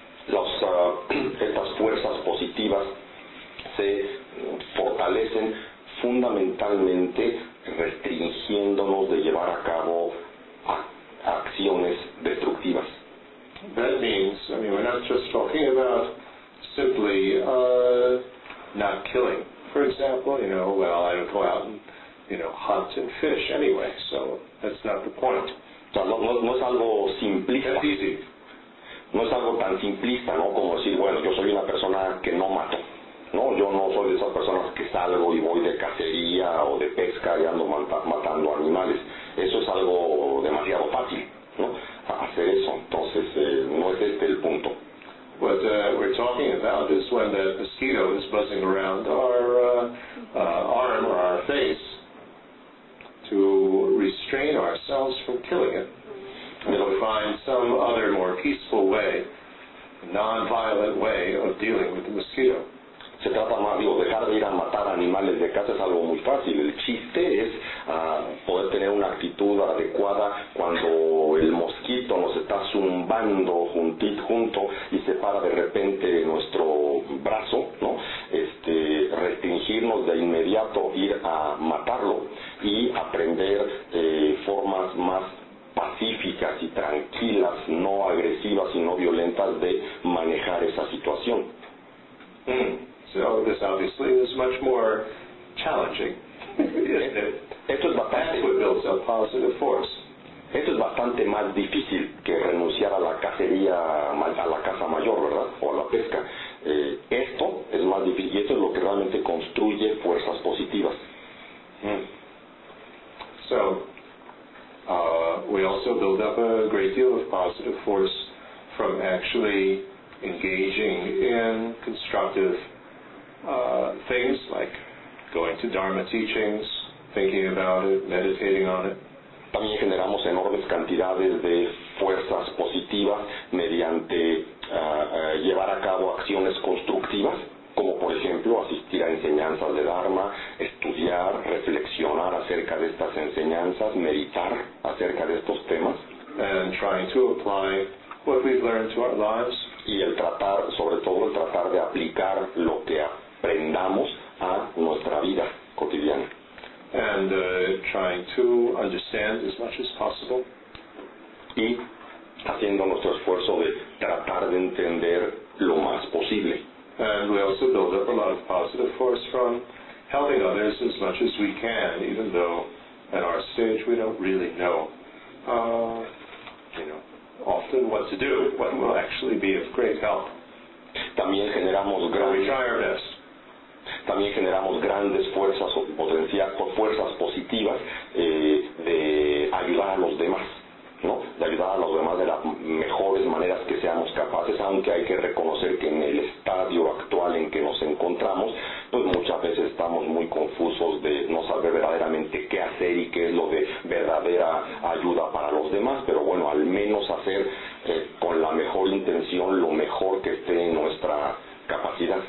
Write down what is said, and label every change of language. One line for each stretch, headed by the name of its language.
Spanish: Estas fuerzas positivas se fortalecen fundamentalmente restringiéndonos de llevar a cabo acciones destructivas.
English: That means, I mean, we're not just talking about simply not killing. For example, you know, well, I don't go out and, you know, hunt and fish anyway, so that's not the point.
Spanish: No es algo simplista.
English: That's easy.
Spanish: No es algo tan simplista, ¿no? Como decir, bueno, yo soy una persona que no mato. No, yo no soy de esas personas que salgo y voy de cacería o de pesca y ando matando animales. Eso es algo demasiado fácil, ¿no? Hacer eso. Entonces, no es este el punto.
English: What we're talking about is when the mosquito is buzzing around our arm or our face to restrain ourselves from killing it. And we find some other more peaceful way, non-violent way of dealing with the mosquito.
Spanish: Se trata más, digo, dejar de ir a matar animales de casa es algo muy fácil. El chiste es poder tener una actitud adecuada cuando el mosquito nos está zumbando junto y se para de repente nuestro brazo, ¿no? Restringirnos de inmediato, ir a matarlo y aprender formas más pacíficas y tranquilas, no agresivas y no capaz de manejar esa situación.
English: So this obviously is much more challenging, isn't it? That's what builds up positive force.
Spanish: Esto es bastante más difícil que renunciar a la cacería, a la caza mayor, ¿verdad? O a la pesca. Esto es más difícil, y esto es lo que realmente construye fuerzas positivas.
English: So, we also build up a great deal of positive force from actually engaging in constructive things like going to Dharma teachings, thinking about it, meditating on it.
Spanish: También generamos enormes cantidades de fuerzas positivas mediante llevar a cabo acciones constructivas, como por ejemplo asistir a enseñanzas de Dharma, estudiar, reflexionar acerca de estas enseñanzas, meditar acerca de estos temas.
English: And trying to apply what we've learned to our lives.
Spanish: Y el tratar, sobre todo el tratar de aplicar lo que aprendamos a nuestra vida cotidiana.
English: And trying to understand as much as possible.
Spanish: Y haciendo nuestro esfuerzo de tratar de entender lo más posible.
English: And we also build up a lot of positive force from helping others as much as we can, even though at our stage we don't really know, often what to do, what will actually be of great help.
Spanish: También generamos grandes.
English: We try our best.
Spanish: También generamos grandes fuerzas o potencias por fuerzas positivas de ayudar a los demás, ¿no? De ayudar a los demás de las mejores maneras que seamos capaces, aunque hay que reconocer que en el estadio actual en que nos encontramos, pues muchas veces estamos muy confusos de no saber verdaderamente qué hacer y qué es lo de verdadera ayuda para los demás, pero bueno, al menos hacer con la mejor intención lo mejor que esté en nuestra capacidad.